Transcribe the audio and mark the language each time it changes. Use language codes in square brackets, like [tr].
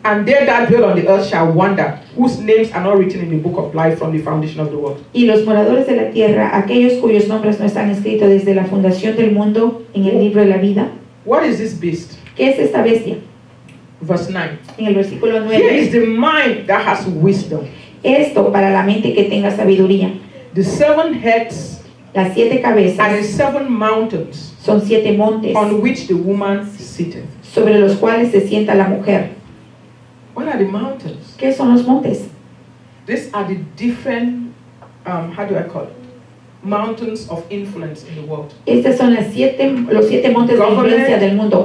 [en] and they that dwell on the earth shall wander, whose names are not written in the book of life from the foundation of the world. [es] Y los moradores de la tierra, aquellos cuyos nombres no están escritos desde la fundación del mundo en el libro de la vida. [en] What is this beast? [es] ¿Qué es esta bestia? [en] Verse 9. [es] En el versículo 9. [en] Here is the mind that has wisdom. [es] Esto para la mente que tenga sabiduría. [en] The seven heads. [es] Las siete cabezas. [en] And the seven mountains. [es] Son siete montes. [en] On which the woman sitteth. [es] Sobre los cuales se sienta la mujer. [en] What are the mountains? [es] ¿Qué son los montes? [en] These are the different, how do I call it? Mountains of influence in the world. [es] Estos son los siete montes de influencia del mundo.